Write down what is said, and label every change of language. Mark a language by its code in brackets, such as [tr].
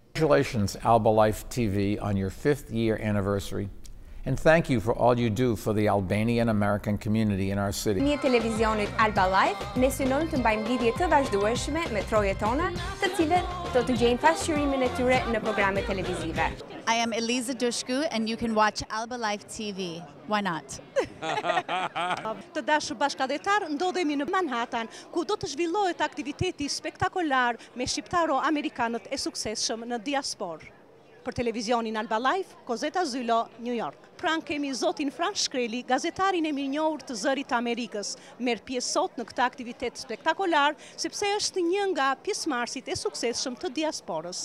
[en] Congratulations, Alba Life TV, on your 5th year anniversary. And thank you for all you do for the Albanian American community in our city. [sq] Në televizionin Alba Life, ne synojmë të mbajmë lidhje të vazhdueshme me trojet tona, të cilët do të gjejnë pasqyrimin e tyre në programet televizive. [en] I am Eliza Dushku and you can watch Alba Life TV. Why not? [sq] Të dashur bashkëdhetar, ndodhemi në Manhattan, ku do të zhvillohet aktiviteti spektakolar me shqiptaro amerikanët e suksesshëm në diasporë. Për televizionin Alba Life, Kozeta Zylo, New York. Pran kemi zotin Frank Shkreli, gazetarin e mirënjohur të zërit Amerikës, merë pjesë sot në këta aktivitet spektakolar, sepse është një nga pjesëmarrësit e suksesshëm të diasporës.